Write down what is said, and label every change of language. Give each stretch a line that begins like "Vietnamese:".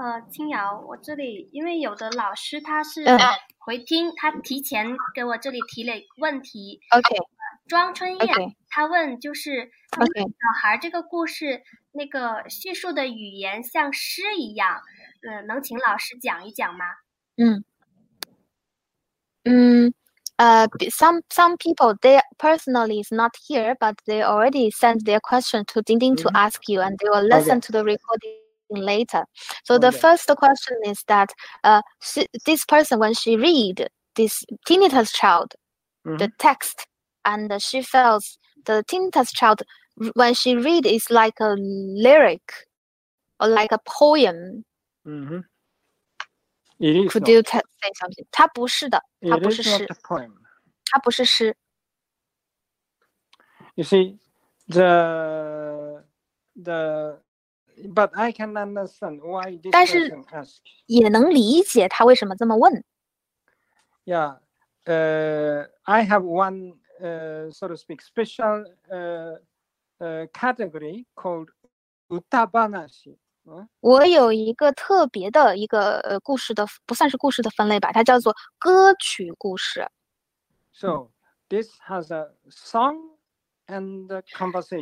Chinese: 青瑶，我这里因为有的老师他是回听，他提前给我这里提了问题。 OK。庄春燕， okay. 他问就是小孩这个故事、 okay. 那个叙述的语言像诗一样，能请老师讲一讲吗？
English: Some people, they personally is not here, but they already send their question to Dingding to ask you, and they will listen to the recording later. So the first question is that this person, when she read this tinnitus child, the text, and she feels the tinnitus child, when she read, is like a lyric or like a poem. Could you say something?
Chinese: 它不是的，它不是诗。它不是诗。
English: You see, but I can understand why this person asked.
Chinese: 但是也能理解他为什么这么问。
English: Yeah, I have one, so to speak, special, category called 歌話。
Chinese: 我有一个特别的一个故事的，不算是故事的分类吧，它叫做歌曲故事。
English: So this has a song and a conversation.